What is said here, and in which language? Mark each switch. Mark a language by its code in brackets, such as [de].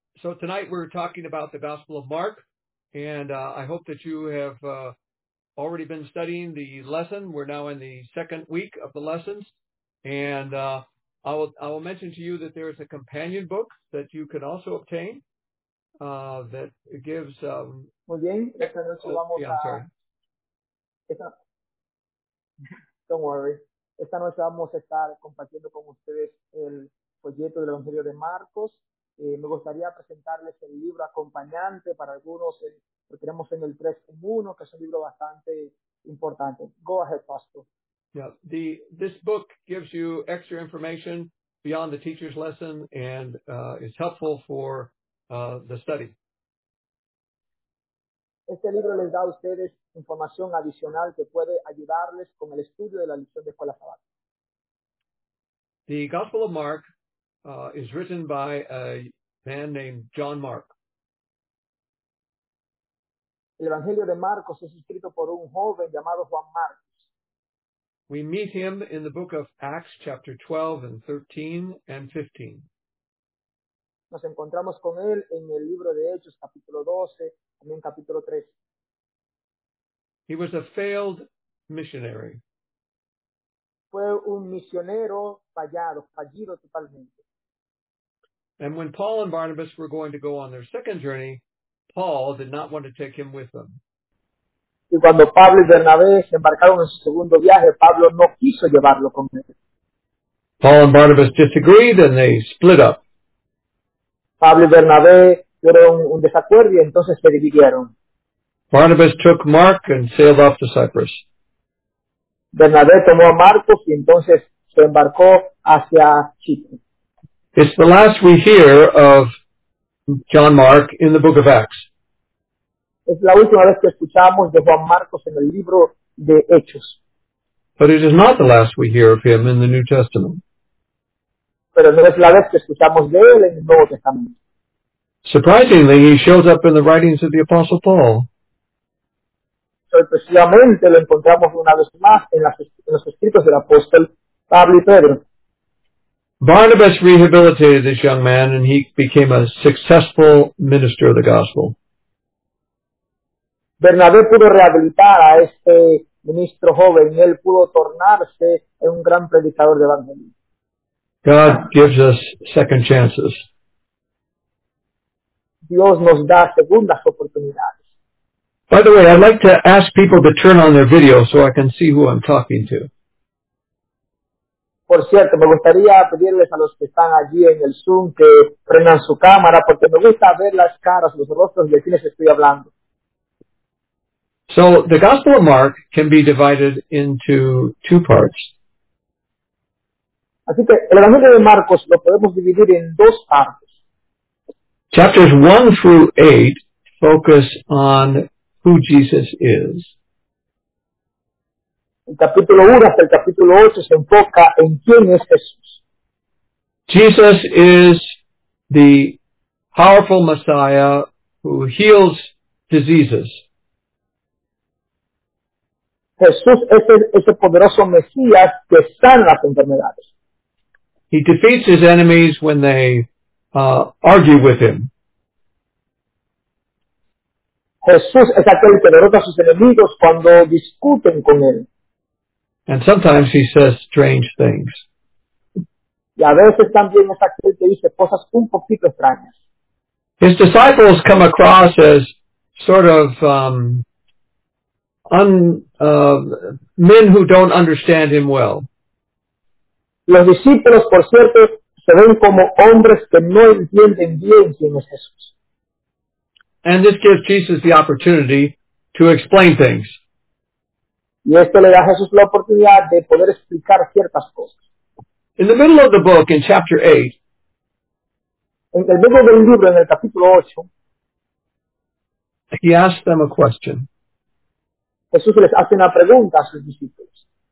[en] So tonight we're talking about the Gospel of Mark, and I hope that you have already been studying the lesson. We're now in the second week of the lessons, and I will mention to you that there is a companion book that you can also obtain. That gives [es] Muy bien, esta noche vamos esta noche vamos a estar compartiendo con ustedes el folleto del Evangelio de Marcos. Me gustaría presentarles el libro acompañante para algunos, porque tenemos en el 3 en 1, que es un libro bastante importante. [en] Go ahead, Pastor. Yeah, this book gives you extra information beyond the teacher's lesson and is helpful for the study. [es] Este libro les da a ustedes información adicional que puede ayudarles con el estudio de la lección de escuela sabática. [en] The Gospel of Mark is written by a man named John Mark. [es] El Evangelio de Marcos es escrito por un joven llamado Juan Marcos. [en] We meet him in the book of Acts, chapter 12 and 13 and 15. [es] Nos encontramos con él en el libro de Hechos, capítulo 12, también capítulo 3. [en] He was a failed missionary. [es] Fue un misionero fallido totalmente. [en] And when Paul and Barnabas were going to go on their second journey, Paul did not want to take him with them. [es] Y cuando Pablo y Bernabé se embarcaron en su segundo viaje, Pablo no quiso llevarlo con él. [en] Paul and Barnabas disagreed and they split up. [es] Pablo y Bernabé tuvieron un desacuerdo y entonces se dividieron. [en] Barnabas took Mark and sailed off to Cyprus. [es] Bernabé tomó a Marcos y entonces se embarcó hacia Chipre. [en] It's the last we hear of John Mark in the book of Acts. [es] Es la última vez que escuchamos de Juan Marcos en el libro de Hechos. [en] But it is not the last we hear of him in the New Testament. [es] Pero no es la vez que escuchamos de él en el Nuevo Testamento. [en] Surprisingly, he shows up in the writings of the Apostle Paul. [es] Sorpresivamente, lo encontramos una vez más en los escritos del apóstol Pablo y Pedro. [en] Barnabas rehabilitated this young man, and he became a successful minister of the gospel. [es] Bernabé pudo rehabilitar a este ministro joven, y él pudo tornarse en un gran predicador de evangelio. [en] God gives us second chances. [es] Dios nos da segundas oportunidades. [en] By the way, I'd like to ask people to turn on their video so I can see who I'm talking to. [es] Por cierto, me gustaría pedirles a los que están allí en el Zoom que prendan su cámara porque me gusta ver las caras, los rostros de quienes estoy hablando. [en] So, the Gospel of Mark can be divided into two parts. [es] Así que el Evangelio de Marcos lo podemos dividir en dos partes. [en] Chapters 1 through 8 focus on who Jesus is. [es] El capítulo 1 hasta el capítulo 8 se enfoca en quién es Jesús. [en] Jesus is the powerful Messiah who heals diseases. [es] Jesús es ese poderoso Mesías que sana las enfermedades. [en] He defeats his enemies when they argue with him. [es] Jesús es aquel que derrota a sus enemigos cuando discuten con él. [en] And sometimes he says strange things. [es] Y a veces también es aquel que dice cosas un poquito extrañas. [en] His disciples come across as sort of men who don't understand him well. [es] Los discípulos, por cierto, se ven como hombres que no entienden bien quién es Jesús. [en] And this gives Jesus the opportunity to explain things. [es] Y esto le da a Jesús la oportunidad de poder explicar ciertas cosas. [en] In the middle of the book, in chapter 8, [es] en el medio del libro, en el capítulo 8, [en] he asks them a question. [es] Jesús les hace una pregunta a sus discípulos.